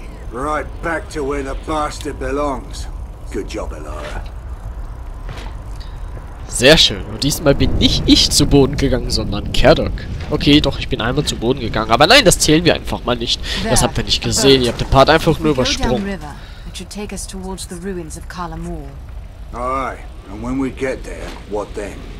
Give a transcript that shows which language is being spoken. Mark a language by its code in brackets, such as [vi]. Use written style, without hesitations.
[en] Right back to where the bastard belongs. Good job, Elara. [de] Sehr schön. Und diesmal bin nicht ich zu Boden gegangen, sondern Kerdok. Okay, doch, ich bin einmal zu Boden gegangen. Aber nein, das zählen wir einfach mal nicht. Das habt ihr nicht gesehen. Ihr habt den Part einfach nur übersprungen. [en] River, it should take us towards the ruins of Kala Moor. Alright, and when we get there, what then?